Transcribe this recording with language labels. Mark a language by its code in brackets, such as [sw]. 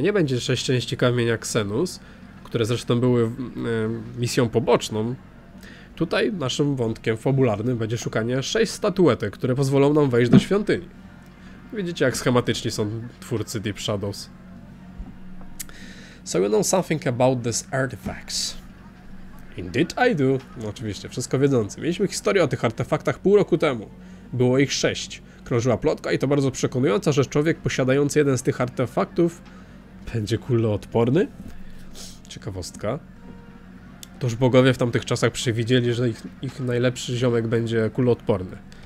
[pl] Nie będzie 6 części kamienia Xenus, które zresztą były misją poboczną. Tutaj naszym wątkiem fabularnym będzie szukanie 6 statuetek, które pozwolą nam wejść do świątyni. Widzicie, jak schematyczni są twórcy Deep Shadows. [en] So you know something about this artifacts? Indeed I do. [pl] No, oczywiście, wszystko wiedzący. Mieliśmy historię o tych artefaktach pół roku temu. Było ich 6. Krążyła plotka i to bardzo przekonująca, że człowiek posiadający jeden z tych artefaktów będzie kuloodporny? Ciekawostka. Toż bogowie w tamtych czasach przewidzieli, że ich najlepszy ziomek będzie kuloodporny.